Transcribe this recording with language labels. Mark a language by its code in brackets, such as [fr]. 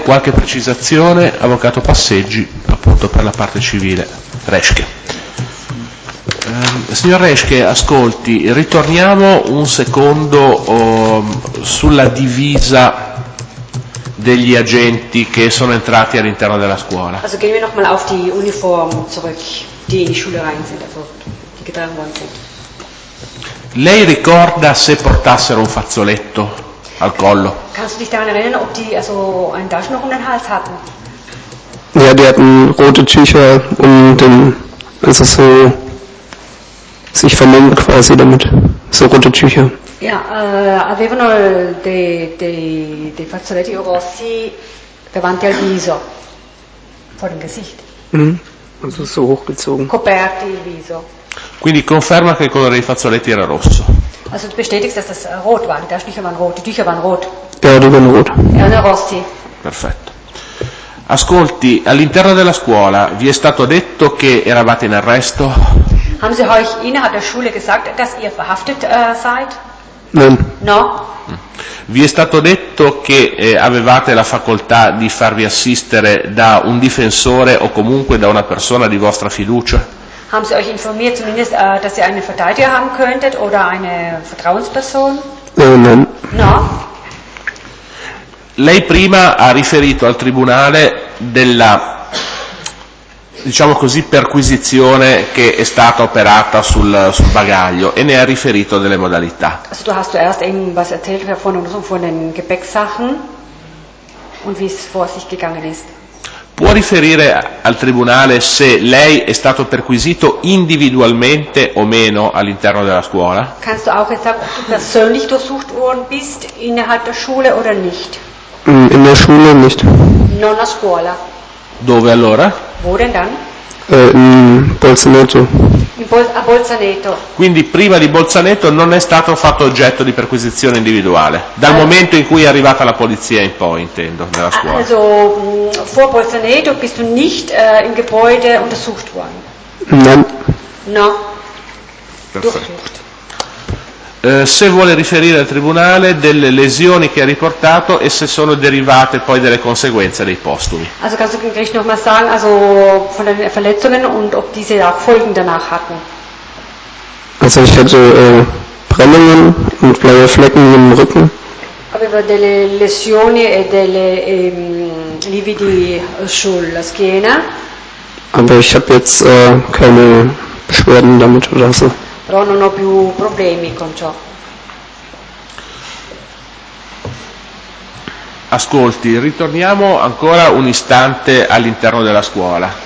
[it] Qualche precisazione, Avvocato Passeggi, appunto per la parte civile. Resche. Signor Reschke, ascolti, ritorniamo un secondo sulla divisa degli agenti che sono entrati all'interno della scuola. [de] Also gehen wir noch mal auf die Uniform zurück, die in die Schule rein sind, also die getragen worden sind. [it] Lei ricorda se portassero un fazzoletto al collo? [de] Kannst du dich daran erinnern, ob die also einen Taschenrock um den Hals hatten? Ja, die hatten rote Tücher um den, also so sich vermummt quasi damit, so rote Tücher. [it] Ja, avevano dei fazzoletti rossi davanti al viso, [de] vor dem Gesicht. Also so hochgezogen. [it] Coperti il viso. Quindi conferma che il colore dei fazzoletti era rosso. [de] Also bestätigst, dass das rot war. Die Taschentücher waren rot. Die Tücher waren rot. Ja, die waren rot. [it] Erano rossi. Perfetto. Ascolti, all'interno della scuola vi è stato detto che eravate in arresto? [de] Haben Sie euch innerhalb der Schule gesagt, dass ihr verhaftet seid? Nein. [it] No? Vi è stato detto che avevate la facoltà di farvi assistere da un difensore o comunque da una persona di vostra fiducia? [de] Haben Sie euch informiert, zumindest, dass ihr einen Verteidiger haben könntet oder eine Vertrauensperson? Nein. [it] No? Lei prima ha riferito al tribunale della, diciamo così, perquisizione che è stata operata sul bagaglio e ne ha riferito delle modalità. [de] Also, du hast zuerst irgendwas erzählt von den Gepäcksachen und wie es vor sich gegangen ist. [it] Può riferire al tribunale se lei è stato perquisito individualmente o meno all'interno della scuola? [de] Kannst du auch sagen, ob du persönlich durchsucht worden bist innerhalb der Schule oder nicht? In der Schule nicht. [it] Non a scuola. Dove allora? [de] Wo denn dann? In Bolzaneto. [it] A Bolzaneto. Quindi prima di Bolzaneto non è stato fatto oggetto di perquisizione individuale, dal momento in cui è arrivata la polizia in poi, intendo, nella scuola. [de] Also, vor Bolzaneto bist du nicht im Gebäude untersucht worden? Nein. [it] No. Perfetto. Se vuole riferire al tribunale delle lesioni che ha riportato e se sono derivate poi delle conseguenze dei postumi. [de] Also kannst du gleich noch mal sagen, also von den Verletzungen und ob diese auch Folgen danach hatten. Also ich hatte Brennungen und blaue Flecken im Rücken. [it] Aveva delle lesioni e delle lividi sulla schiena. [de] Aber ich habe jetzt keine Beschwerden damit oder so. [it] Però non ho più problemi con ciò. Ascolti, ritorniamo ancora un istante all'interno della scuola.